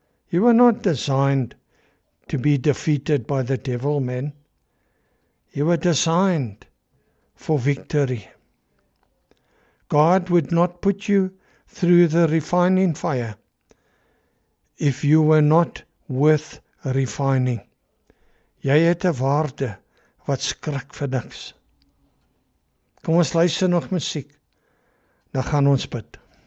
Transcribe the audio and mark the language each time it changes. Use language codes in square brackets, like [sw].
[en] You are not designed to be defeated by the devil, man. You were designed for victory. God would not put you through the refining fire if you were not worth refining. [af] Jy het 'n waarde wat skrik vir niks. Kom ons luister nog musiek, dan gaan ons bid.